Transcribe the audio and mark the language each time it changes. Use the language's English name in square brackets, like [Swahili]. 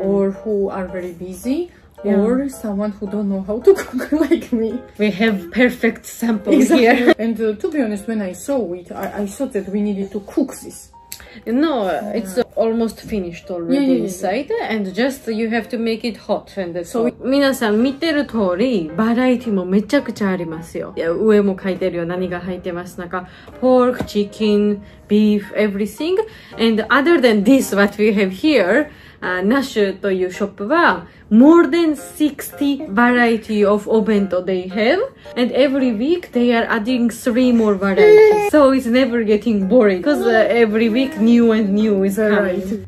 [English] or who are very busy、yeah. or someone who don't know how to cook like me. We have perfect sample、exactly. here. And、to be honest, when I saw it, I thought that we needed to cook this. No, it's almost finished already inside and just you have to make it hot and that's all. [Japanese] 皆さん見てる通りバラエティもめちゃくちゃありますよ。いや上も書いてるよ、何が入ってます。なんかポーク、チキン、ビーフ、everything. [English] And other than this, what we have here, [Japanese] ナッシュというショップは [English] more than 60 variety of お弁当 they have and every week they are adding 3 more varieties so it's never getting boring because、every week new and new is coming、right.